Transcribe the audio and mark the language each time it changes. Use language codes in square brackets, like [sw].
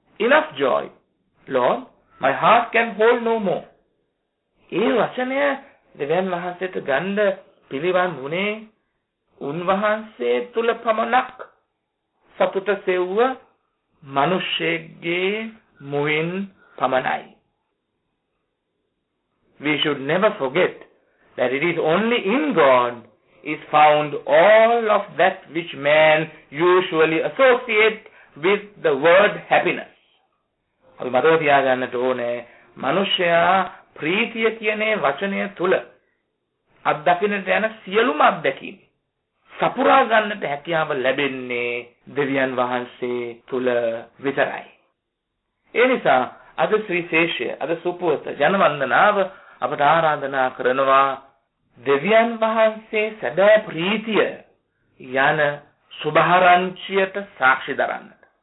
[en] Enough joy Lord, my heart can hold no more. [si] ඒ වචනය දෙවියන් වහන්සේට ගන්න පිළිවන් වුණේ උන්වහන්සේ තුළ පමණක් සතුට සෙව්ව මිනිස්සෙක්ගේ මුවින් පමණයි. [en] We should never forget that it is only in God is found all of that which man usually associate with the word happiness. [si] අපි මතක තියාගන්නට ඕනේ මනුෂ්‍යයා ප්‍රීතිය කියන වචනය තුල අත්දකින්නට යන සියලුම අත්දැකීම් සපුරා ගන්නට හැකියාව ලැබෙන්නේ දෙවියන් වහන්සේ තුල විතරයි. ඒ නිසා අද ශ්‍රීශේෂය අද සුපුවත ජනවන්දනාව අපට ආරාධනා කරනවා දෙවියන් වහන්සේ සැබෑ ප්‍රීතිය යන සුභාරංචියට සාක්ෂි දරන්නට.